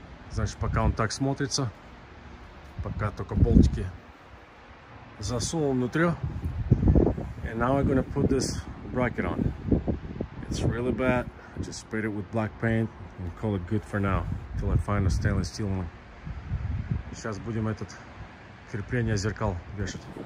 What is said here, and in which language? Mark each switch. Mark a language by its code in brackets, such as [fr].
[ru] Значит, пока он так смотрится, пока только болтики засунул внутрь. [en] And now I'm gonna put this bracket on. It's really bad. I just sprayed it with black paint and call it good for now, till I find a stainless steel one. [ru] Сейчас будем этот крепление зеркал вешать.